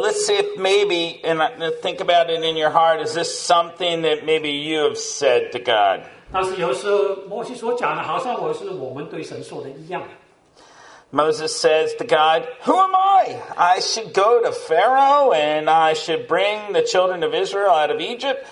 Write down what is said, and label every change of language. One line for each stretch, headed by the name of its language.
English: let's see if maybe and think about it in your heart. Is this something that maybe you have said to God?
Chinese: 但是有时候摩西所讲的，好像我是我们对神说的一样。
English: Moses says to God, "Who am I? I should go to Pharaoh and I should bring the children of Israel out of Egypt."